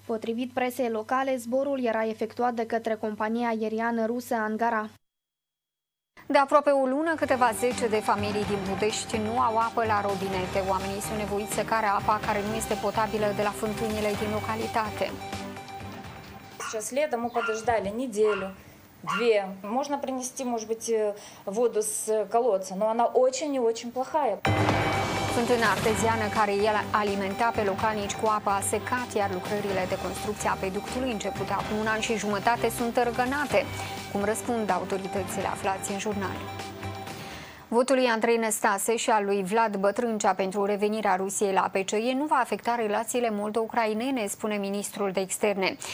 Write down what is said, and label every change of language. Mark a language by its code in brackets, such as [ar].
[ro] Potrivit presei locale, zborul era efectuat de către compania aeriană rusă Angara. De aproape o lună, câteva zece de familii din Budești nu au apă la robinete. Oamenii sunt nevoiți să care apa care nu este potabilă de la fântânile din localitate. [ru] Сейчас летом мы подождали неделю, две. Можно принести, может быть, воду с колодца, но она очень и очень плохая. [ro] Fântâna arteziană care el alimenta pe localnici cu apă a secat, iar lucrările de construcție a aqueductului începute acum un an și jumătate sunt tărgănate. Cum răspund autoritățile, aflați în Jurnal. Votul lui Andrei Năstase și al lui Vlad Bătrâncea pentru revenirea Rusiei la APCE nu va afecta relațiile moldo-ucrainene, spune ministrul de externe.